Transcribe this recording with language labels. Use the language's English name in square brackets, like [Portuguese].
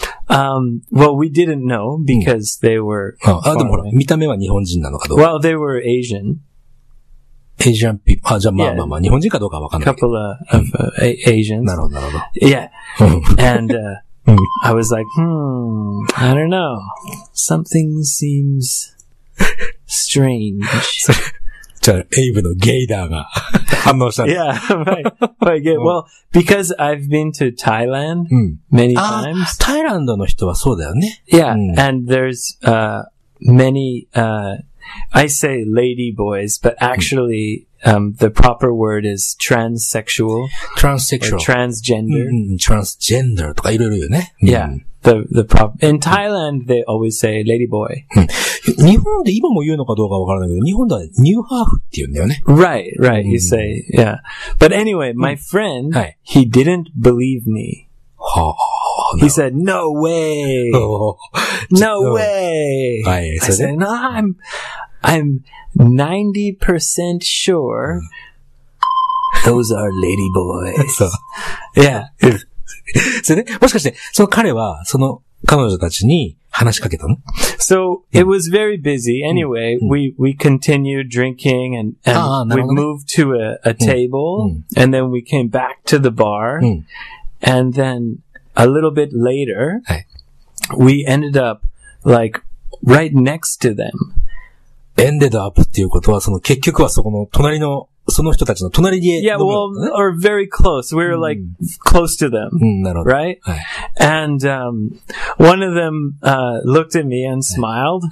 [English] Well, we didn't know because、うん、they were. [Japanese] あ、でもほら、見た目は日本人なのかどうか。 [English] Well, they were Asian. Asian people. [Japanese] あ、じゃあまあまあまあ、日本人かどうかわかんない。 [English] Couple of、うん、Asians. [Japanese] なるほど、なるほど。 [English] Yeah. And, I was like, I don't know. Something seems strange. [Japanese] じゃあ、エイブのゲイダーが反応した。 [English] Yeah, right. Right, good. Well, because I've been to Thailand、 [Japanese] うん、 [English] many times. [Japanese] タイランドの人はそうだよね。 [English] Yeah,、うん、and there's, many, I say lady boys, but actually,、うん、the proper word is transsexual. Transsexual. Or transgender.、 [Japanese] うん、transgender とかいろいろよね。うん、 [English] yeah. The prop in Thailand、うん、they always say lady boy.、 [Japanese] うん日本で今も言うのかどうかわからないけど、日本ではニューハーフって言うんだよね。 [English] Right, right, you say, yeah. But anyway, my friend,、 [Japanese] はい、 [English] he didn't believe me. [Japanese] はあ、 [English] he said, no way! No way! [Japanese] はい、 [English] I said, no, I'm 90% sure those are lady boys. Yeah. [Japanese] それで、もしかして、その彼は、その彼女たちに、話しかけたの? [English] So, it was very busy. Anyway,、うん、we continued drinking and、 [Japanese] ね、 [English] we moved to a table、うん、and then we came back to the bar、 [Japanese] うん、 [English] and then a little bit later、 [Japanese] はい、 [English] we ended up like right next to them. Ended up [Japanese] っていうことはその結局はそこの隣のその人たちの隣で飲むの [English] かな?Yeah, well, or very close. We were like、うん、close to them. [Japanese] うん、なるほど。 [English] Right?、 [Japanese] はい、 [English] and, one of them, looked at me and smiled.、